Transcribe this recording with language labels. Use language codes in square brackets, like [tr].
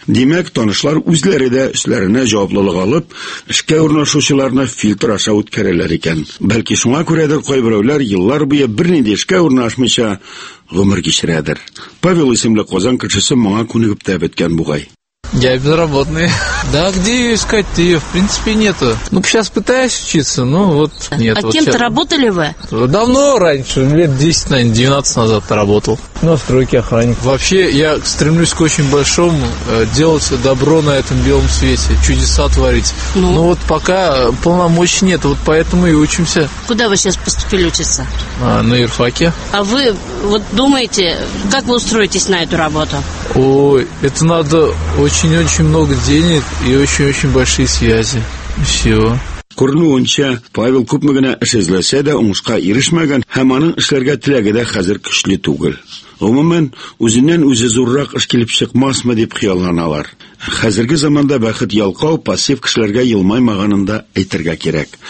[tt] Димәк, танышлар үзләре дә үзләренә җаваплылык алып, эшкә урнашучыларны фильтр аша үткәрәләр икән. Бәлки шуңа күрәдер кайберәүләр еллар буе бернинди эшкә урнашмыйча гомер кичерәдер. Павел исемле Казан кешесе моңа күнегеп тә беткән бугай. [ru] Я безработный. Да, где ее искать-то? Ее в принципе нету. Ну, сейчас пытаюсь учиться, но вот нет. А вот кем-то сейчас... работали вы? Давно раньше, лет 10, наверное, 12 назад работал. На стройке охранник. Вообще, я стремлюсь к очень большому, делать добро на этом белом свете, чудеса творить. Ну? Но вот пока полномочий нет, вот поэтому и учимся. Куда вы сейчас поступили учиться? На юрфаке. А вы вот думаете, как вы устроитесь на эту работу? Ой, это надо... Очень-очень много денег и очень-очень большие связи. Все. [tt] Күрнүенчә, Павел күпме генә эш эзләсә дә уңышка ирешмәгән һәм аның эшләргә теләге дә хәзер көчле түгел. Гомумән, үзеннән үзе зуррак эш килеп чыкмасмы дип хыялланалар. Хәзерге заманда бәхет ялкау пассив кешеләргә елмаймаганын да әйтергә кирәк.